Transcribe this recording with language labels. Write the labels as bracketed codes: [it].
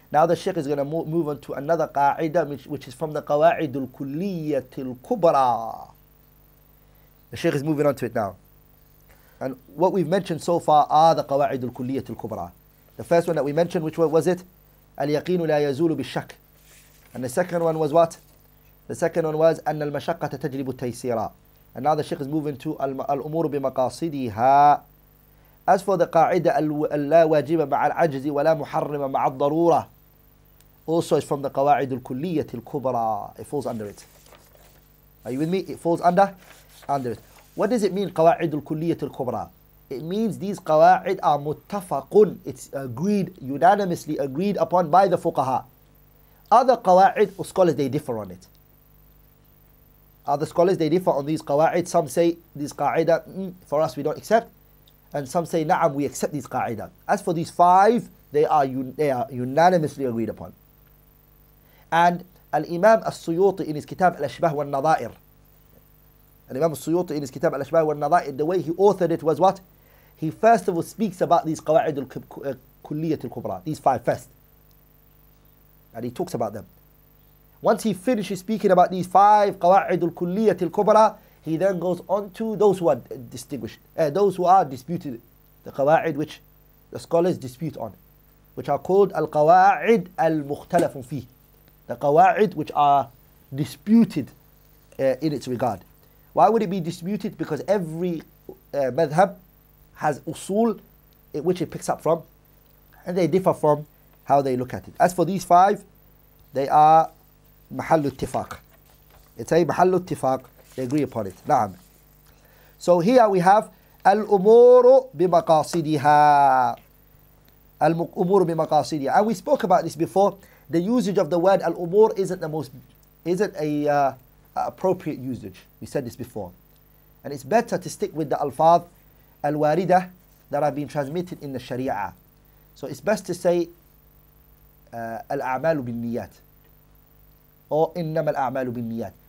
[en] Now the sheikh is going to move on to another qa'ida, which is from the [ar] قواعد الكلية الكبرى. [en] The sheikh is moving on to it now. And what we've mentioned so far are the [ar] قواعد الكلية الكبرى. [en] The first one that we mentioned, which one was it? [ar] اليقين لا يزول بالشك. [en] And the second one was what? The second one was [ar] أن المشقة تجلب التيسير. [en] And now the sheikh is moving to [ar] الأمور بمقاصدها. [en] As for the [ar] قاعدة اللا واجب مع العجز ولا محرم مع الضرورة. [en] Also it's from the [ar] قواعد الكلية الكبرى. [en] It falls under it. Are you with me? It falls under it. What does it mean [ar] قواعد الكلية الكبرى? [en] It means these قواعد are متفقون. It's agreed, unanimously agreed upon by the فقهاء. Other قواعد, scholars, they differ on it. Other scholars, they differ on these قواعد. Some say these قاعدة, for us, we don't accept. And some say, نعم, we accept these قاعدة. As for these five, they are unanimously agreed upon. [ar] And الإمام السيوطي [en] in his [ar] كتاب الأشباه والنظائر. [en] الإمام السيوطي in his [ar] كتاب الأشباه والنظائر, [en] the way he authored it was what? He first of all speaks about these [ar] قواعد الكلية الكبرى, [en] these five first. And he talks about them. Once he finishes speaking about these five [ar] قواعد الكلية الكبرى, [en] he then goes on to those who are distinguished, those who are disputed, the قواعد which the scholars dispute on, which are called [ar] القواعد المختلف فيه, [en] the قواعد which are disputed in its regard. Why would it be disputed? Because every madhab has usul, which it picks up from, and they differ from how they look at it. As for these five, they are [ar] محل اتفاق. [en] It's a [ar] محل اتفاق. [en] They agree upon it. نعم. So here we have [ar] الأمور بمقاصدها. الأمور بمقاصدها. [en] And we spoke about this before. The usage of the word الأمور isn't an appropriate usage. We said this before. And it's better to stick with the [ar] ألفاظ الواردة [en] that have been transmitted in the Sharia. So it's best to say [ar] الأعمال بالنيات. Or إنما الأعمال بالنيات.